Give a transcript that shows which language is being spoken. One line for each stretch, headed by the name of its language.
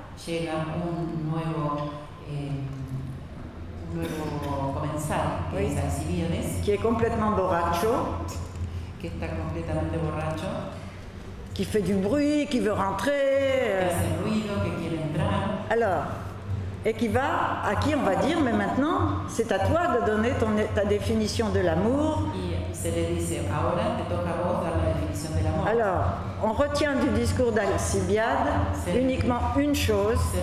Spanish: Llega un nuevo comensal que es Alcibiades.
French: Qui est complètement
Spanish: borracho. Que está completamente borracho.
French: Qui fait du bruit, qui veut rentrer.
Spanish: Que hace ruido, que quiere entrar.
French: Alors, et qui va, à qui on va dire, mais maintenant, c'est à toi de donner ta définition de l'amour.
Spanish: Y se le dice, ahora te toca a vos dar la definición del amor.
French: Alors, on retient du discours d'Alcibiade uniquement une chose.